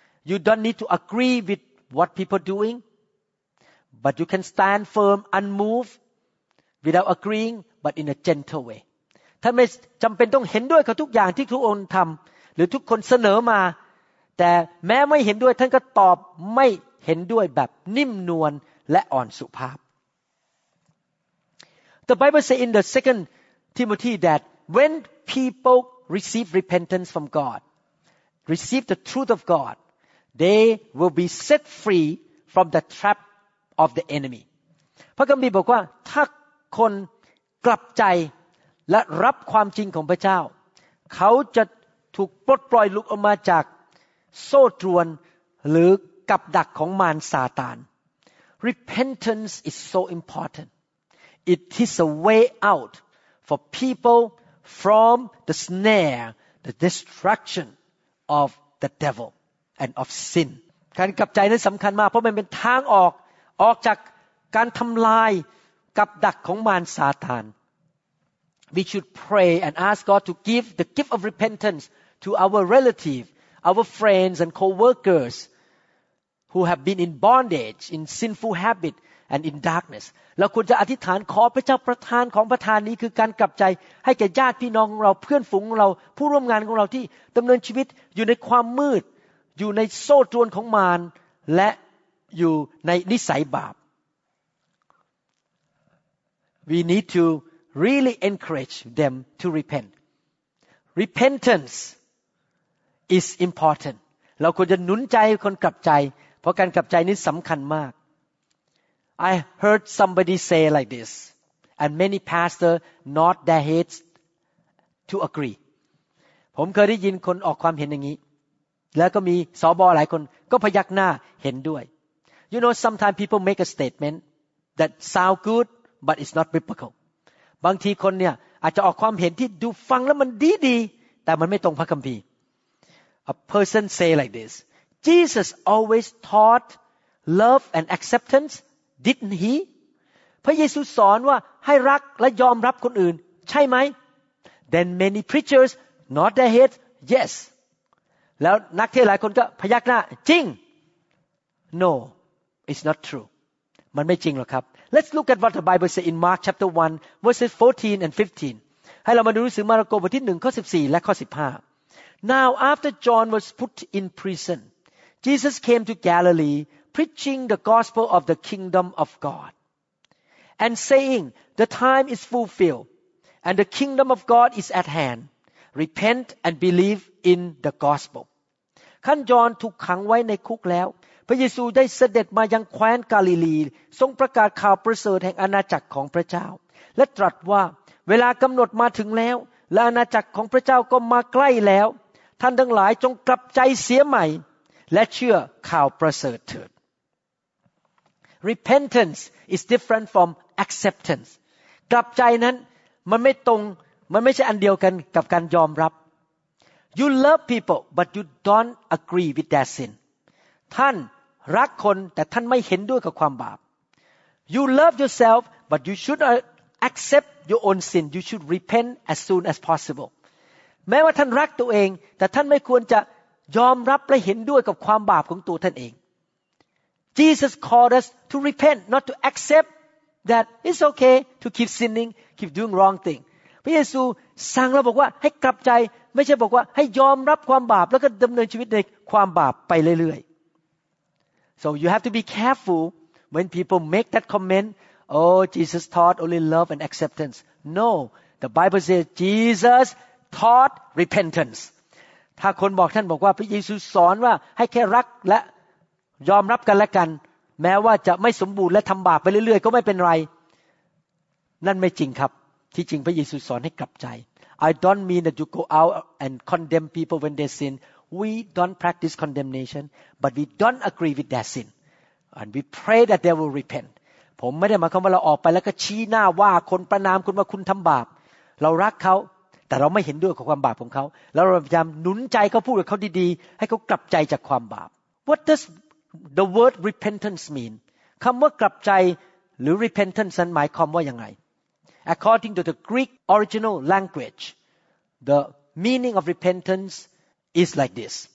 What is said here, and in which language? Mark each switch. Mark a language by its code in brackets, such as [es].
[en] You don't need to agree with what people are doing, but you can stand firm, unmoved, without agreeing, but in a gentle way. [th] ท่านไม่จำเป็นต้องเห็นด้วยกับทุกอย่างที่ทุกองค์ทำหรือทุกคนเสนอมาแต่แม้ไม่เห็นด้วยท่านก็ตอบไม่เห็นด้วยแบบนิ่มนวลและอ่อนสุภาพ [en] The Bible says in the second Timothy that when people receive repentance from God, receive the truth of God, they will be set free from the trap of the enemy. [th] พระคัมภีร์บอกว่าถ้าคนกลับใจและรับความจริงของพระเจ้าเขาจะถูกปลดปล่อยลุกออกมาจากโซ่ตรวนหรือกับดักของมารซาตาน [en] Repentance is so important. It is a way out for people from the snare, the destruction of the devil and of sin. [th] การกลับใจนั้นสำคัญมากเพราะมันเป็นทางออกจากการทำลายกับดักของมารซาตาน [en] We should pray and ask God to give the gift of repentance to our relative, our friends and co-workers who have been in bondage, in sinful habit and in darkness. [th] เราควรจะอธิษฐานขอพระเจ้าประทานของประทานนี้คือการกลับใจให้แก่ญาติพี่น้องของเราเพื่อนฝูงของเราผู้ร่วมงานของเราที่ดำเนินชีวิตอยู่ในความมืดอยู่ในโซ่ตรวนของมารและอยู่ในนิสัยบาป [en] We need to really encourage them to repent. Repentance is important. [th] เราควรจะหนุนใจคนกลับใจเพราะการกลับใจนี้สำคัญมาก [en] I heard somebody say like this, and many pastors nod their heads to agree. [th] ผมเคยได้ยินคนออกความเห็นอย่างนี้แล้วก็มีสบหลายคนก็พยักหน้าเห็นด้วย [en] You know sometimes people make a statement that sound good but it's not biblical [th] บางทีคนเนี่ยอาจจะออกความเห็นที่ดูฟังแล้วมันดีๆแต่มันไม่ตรงพระคัมภีร์ [en] A person say like this Jesus always taught love and acceptance didn't he [th] พระเยซูสอนว่าให้รักและยอมรับคนอื่นใช่ไหม [en] Then many preachers nod their heads yes [th] แล้วนักเทศหลายคนก็พยักหน้าจริง [en] No it's not true [th] มันไม่จริงหรอกครับ [en] Let's look at what the Bible says in Mark chapter 1 verses 14 and 15 [th] ให้เรามาดูหนังสือมาระโกบทที่1ข้อ14และข้อ15 [en] Now after John was put in prison Jesus came to Galilee preaching the gospel of the kingdom of God and saying the time is fulfilled and the kingdom of God is at handrepent and believe in the gospel [th] ขันจอนถูกขังไว้ในคุกแล้วพระเยซูได้เสด็จมายังแคว้นกาลิลีทรงประกาศข่าวประเสริฐแห่งอาณาจักรของพระเจ้าและตรัสว่าเวลากำหนดมาถึงแล้วและอาณาจักรของพระเจ้าก็มาใกล้แล้วท่านทั้งหลายจงกลับใจเสียใหม่และเชื่อข่าวประเสริฐเถิด [en] repentance is different from acceptance [th] กลับใจนั้นมันไม่ตรงมันไม่ใช่อันเดียวกันกับการยอมรับ [en] You love people but you don't agree with their sin [th] ท่านรักคนแต่ท่านไม่เห็นด้วยกับความบาป [en] You love yourself but you should accept your own sin you should repent as soon as possible [th] แม้ว่าท่านรักตัวเองแต่ท่านไม่ควรจะยอมรับและเห็นด้วยกับความบาปของตัวท่านเอง [en] Jesus called us to repent not to accept that it's okay to keep sinning keep doing wrong thing [th] พระเยซูสั่งเราบอกว่าให้กลับใจไม่ใช่บอกว่าให้ยอมรับความบาปแล้วก็ดำเนินชีวิตในความบาปไปเรื่อย [en] ๆ So you have to be careful when people make that comment Oh Jesus taught only love and acceptance No the Bible says Jesus taught repentance [th] ถ้าคนบอกท่านบอกว่าพระเยซูสอนว่าให้แค่รักและยอมรับกันและกันแม้ว่าจะไม่สมบูรณ์และทำบาปไปเรื่อยๆก็ไม่เป็นไรนั่นไม่จริงครับที่จริงพระเยซูสอนให้กลับใจ [en] I don't mean that you go out and condemn people when they sin. We don't practice condemnation, but we don't agree with their sin, and we pray that they will repent. [th] ผมไม่ได้หมายความว่าเราออกไปแล้วก็ชี้หน้าว่าคนประนามคุณว่าคุณทำบาปเรารักเขาแต่เราไม่เห็นด้วยกับความบาปของเขาแล้วเราพยายามหนุนใจเขาพูดกับเขาดีๆให้เขากลับใจจากความบาป [en] What does the word repentance mean? [th] คำว่ากลับใจหรือ repentance หมายความว่ายังไง [en] According to the Greek original language, the meaning of repentance is like this.